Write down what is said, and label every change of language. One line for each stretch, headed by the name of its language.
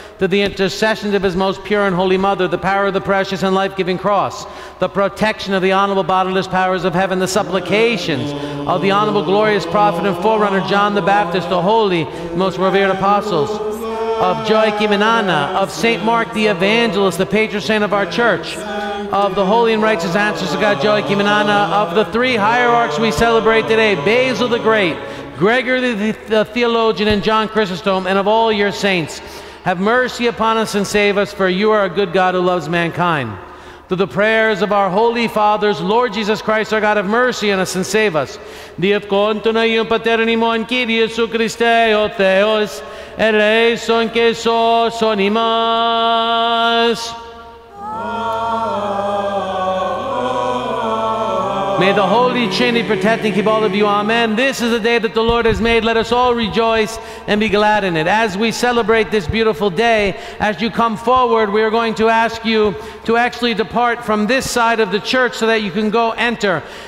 English: Through the intercessions of his most pure and holy mother, the power of the precious and life-giving cross, the protection of the honorable bodiless powers of heaven, the supplications of the honorable glorious prophet and forerunner John the Baptist, the holy, most revered apostles, of Joachim and Anna, of Saint Mark the Evangelist, the patron saint of our church, of the holy and righteous ancestors of God, Joachim and Anna, of the three hierarchs we celebrate today, Basil the Great, Gregory the Theologian, and John Chrysostom, and of all your saints. Have mercy upon us and save us, for you are a good God who loves mankind. Through the prayers of our holy fathers, Lord Jesus Christ, our God, have mercy on us and save us.
Greek: Διευκόντων Αγίων Πατέρων ημών, Κύριε Ιησού Χριστέ, ο Θεός, ελέησον και σώσον ημάς.
English: May the Holy Trinity protect and keep all of you. Amen. This is the day that the Lord has made. Let us all rejoice and be glad in it. As we celebrate this beautiful day, as you come forward, we are going to ask you to actually depart from this side of the church so that you can go enter.